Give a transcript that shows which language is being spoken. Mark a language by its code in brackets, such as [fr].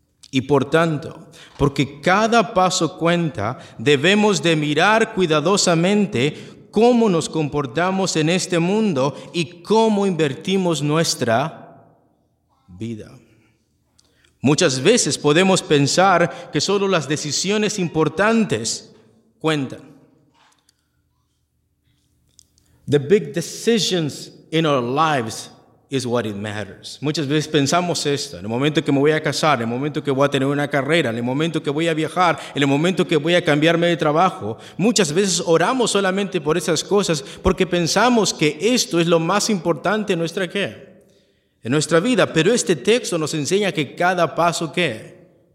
[es] Y por tanto, porque cada paso cuenta, debemos de mirar cuidadosamente cómo nos comportamos en este mundo y cómo invertimos nuestra vida. Muchas veces podemos pensar que solo las decisiones importantes cuentan. [en] The big decisions in our lives is what it matters. [es] Muchas veces pensamos esto, en el momento que me voy a casar, en el momento que voy a tener una carrera, en el momento que voy a viajar, en el momento que voy a cambiarme de trabajo. Muchas veces oramos solamente por esas cosas porque pensamos que esto es lo más importante en nuestra vida, pero este texto nos enseña que cada paso, ¿qué?